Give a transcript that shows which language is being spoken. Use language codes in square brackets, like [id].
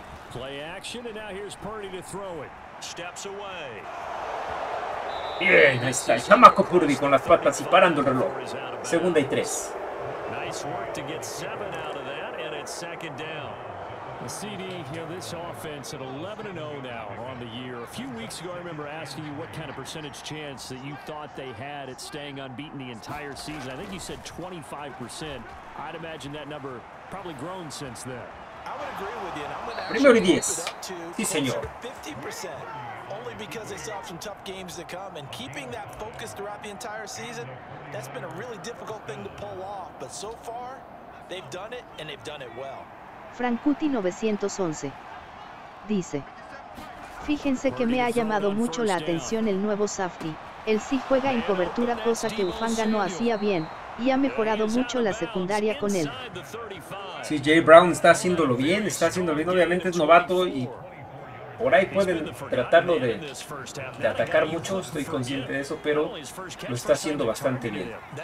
[en] Play action, and now here's Purdy to throw it. Steps away. [es] Bien, ahí está el chamaco Purdy con las patas y parando el reloj. Segunda y 3. [en] Nice work to get 7 out of that, and it's second down. The CD here, this offense at 11-0 now on the year. A few weeks ago, I remember asking you what kind of percentage chance that you thought they had at staying unbeaten the entire season. I think you said 25%. I'd imagine that number probably grown since then. I would agree with you. [es] Primero y 10. Sí, señor. [en] 50%. Only because they saw some tough games to come. And keeping that focus throughout the entire season, that's been a really difficult thing to pull off. But so far, they've done it, and they've done it well. [es] Frankuti 911 dice: fíjense que me ha llamado mucho la atención el nuevo safety. Él sí juega en cobertura, cosa que Ufanga no hacía bien, y ha mejorado mucho la secundaria con él. Sí, Jay Brown está haciéndolo bien, está haciéndolo bien. Obviamente es novato y por ahí pueden tratarlo de atacar mucho, estoy consciente de eso, pero lo está haciendo bastante bien.